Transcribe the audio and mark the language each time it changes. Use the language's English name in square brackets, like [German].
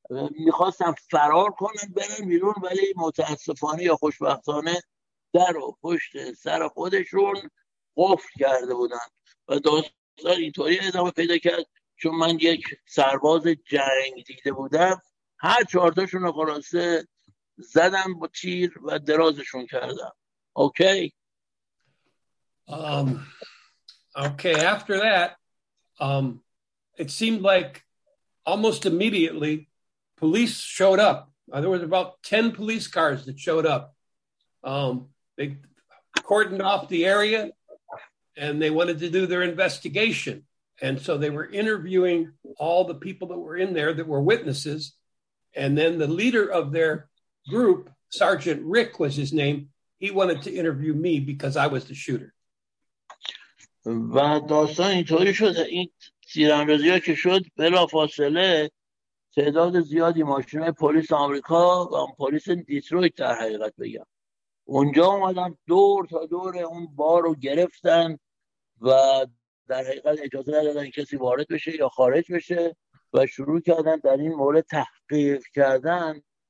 [Persian] میخواستم فرار کنم برم بیرون، ولی متاسفانه یا خوشبختانه در و پشت سر خودشون قفل کرده بودن و داستان اینطوری ادامه پیدا کرد. چون من یک سرباز جنگ دیده بودم، هر چهارتاشون رو خلاصه زدم با تیر و درازشون کردم. [English] Okay? Okay, after that it seemed like almost immediately police showed up. There was about 10 police cars that showed up. They cordoned off the area and they wanted to do their investigation. And so they were interviewing all the people that were in there that were witnesses. And then the leader of their group, Sergeant Rick was his name, he wanted to interview me because I was the shooter. [Persian] و داستان اینطوری شد، این تیراندازی ها که شد، بلافاصله تعداد زیادی ماشین های پلیس آمریکا و پلیس دیترویت در حقیقت بگم اونجا اومدن، دور تا دور اون بار رو گرفتن و در حقیقت اجازه ندادن کسی وارد بشه یا خارج بشه و شروع کردن در این مورد تحقیق کردن.